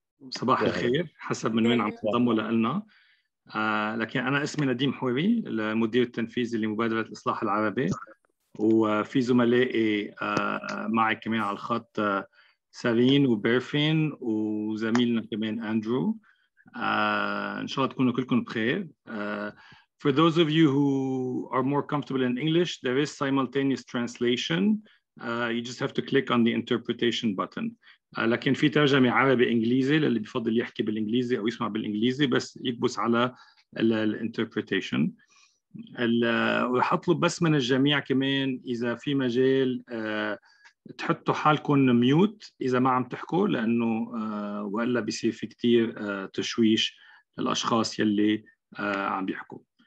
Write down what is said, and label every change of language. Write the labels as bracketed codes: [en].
[ar] صباح الخير حسب من وين عم تنضموا لنا. لكن أنا اسمي نديم حويري، المدير التنفيذي لمبادرة الإصلاح العربي، وفي زملائي معي كمان على الخط سارين وبيرفين وزميلنا كمان أندرو. إن شاء الله تكونوا كلكم بخير. [en] For those of you who are more comfortable in English, there is simultaneous translation. You just have to click on the interpretation button. [ar] لكن في ترجمة عربي إنجليزي للي بفضل يحكي بالإنجليزي أو يسمع بالإنجليزي، بس يكبس على الانتربريتيشن. ورح أطلب بس من الجميع كمان إذا في مجال تحطوا حالكم ميوت إذا ما عم تحكوا، لأنه وإلا بيصير في كتير تشويش للأشخاص يلي عم بيحكوا.